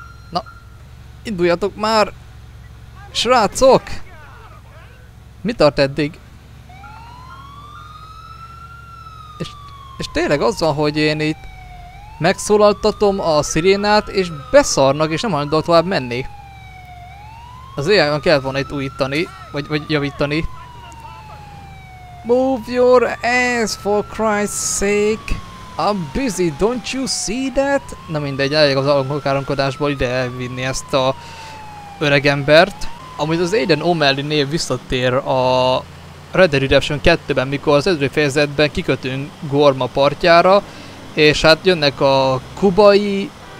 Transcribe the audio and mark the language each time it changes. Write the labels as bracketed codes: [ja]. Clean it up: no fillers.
[hu] Na, induljatok már! Srácok! Mi tart eddig? És tényleg az van, hogy én itt megszólaltatom a szirénát és beszarnak és nem hajlandó tovább menni. Az AI-ban kellett volna itt újítani, vagy javítani. [en] Move your ass for Christ's sake! I'm busy, don't you see that? [hu] Na mindegy, elég az alkalmkodásból ide elvinni ezt a öreg embert. Amúgy az Aiden O'Malley név visszatér a Red Dead Redemption 2-ben, mikor az ötödik fejezetben kikötünk Gorma partjára, és hát jönnek a kubai...